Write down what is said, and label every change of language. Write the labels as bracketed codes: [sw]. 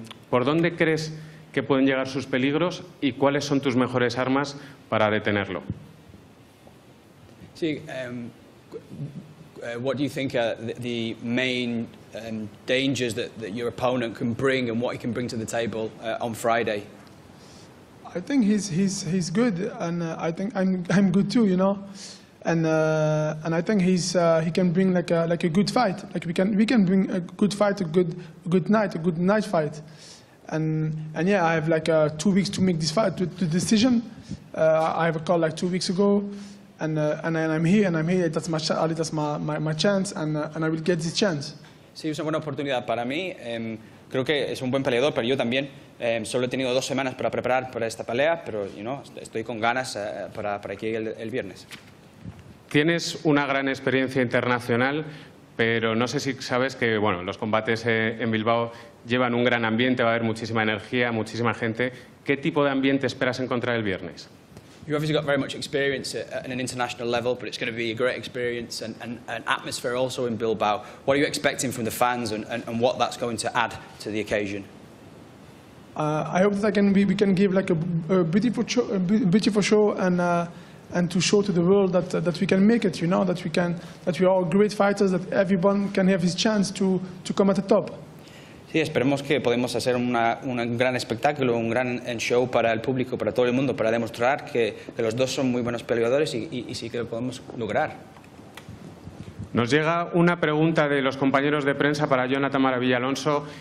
[es] ¿Por dónde crees que pueden llegar sus peligros y cuáles son tus mejores armas para detenerlo? Sí. [en] What do you think are the main dangers that your opponent can bring and what he can bring to the table on Friday? I think he's good and I think I'm good too, you know. And I think he can bring like a good fight. Like we can bring a good fight, a good night fight. And yeah, I have like 2 weeks to make this fight, the decision. I have a call like 2 weeks ago, and I'm here. That's my chance, and I will get this chance. [es] Sí, es una buena oportunidad para mí. Creo que es un buen peleador, pero yo también solo he tenido 2 semanas para preparar para esta pelea, pero [en] you know, [es] estoy con ganas para que llegue el viernes. Tienes una gran experiencia internacional, pero no sé si sabes que, bueno, los combates en Bilbao llevan un gran ambiente, va a haber muchísima energía, muchísima gente. ¿Qué tipo de ambiente esperas encontrar el viernes? [en] You obviously got very much experience at an international level, but it's going to be a great experience and atmosphere also in Bilbao. What are you expecting from the fans and what that's going to add to the occasion? I hope that we can give like a beautiful show and to show to the world that we can make it, you know, that we are all great fighters, that everyone can have his chance to come at the top. [es] Sí, esperemos que podamos hacer un gran espectáculo, un gran show para el público, para todo el mundo, para demostrar que los dos son muy buenos peleadores y sí que lo podemos lograr. Nos llega una pregunta de los compañeros de prensa para Jonathan Maravilla Alonso.